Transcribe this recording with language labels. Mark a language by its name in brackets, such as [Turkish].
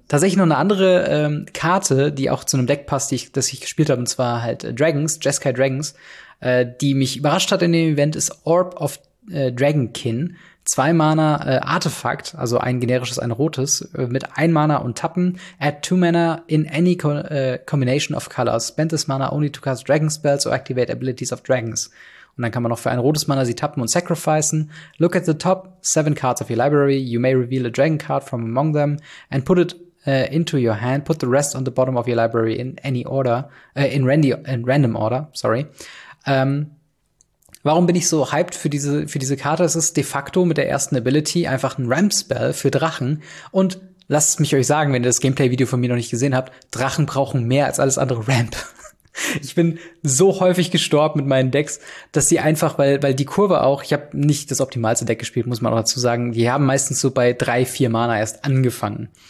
[German] Tatsächlich noch eine andere Karte, die auch zu einem Deck passt, das ich gespielt habe, und zwar halt Dragons, Jeskai Dragons, die mich überrascht hat in dem Event, ist Orb of Dragonkin. 2 Mana Artefakt, also ein generisches, ein rotes, mit 1 Mana und Tappen. [English] Add 2 Mana in any combination of colors. Spend this Mana only to cast Dragon Spells or activate Abilities of Dragons. [German] Und dann kann man noch für ein rotes Mana sie tappen und sacrificen. [English] Look at the top 7 cards of your library. You may reveal a dragon card from among them and put it into your hand. Put the rest on the bottom of your library in any order, in random order. [German] Warum bin ich so hyped für diese Karte? Es ist de facto mit der ersten Ability einfach ein Ramp-Spell für Drachen. Und lasst mich euch sagen, wenn ihr das Gameplay-Video von mir noch nicht gesehen habt, Drachen brauchen mehr als alles andere Ramp. Ich bin so häufig gestorben mit meinen Decks, dass sie einfach, weil die Kurve auch, ich habe nicht das optimalste Deck gespielt, muss man auch dazu sagen, die haben meistens so bei 3-4 Mana erst angefangen.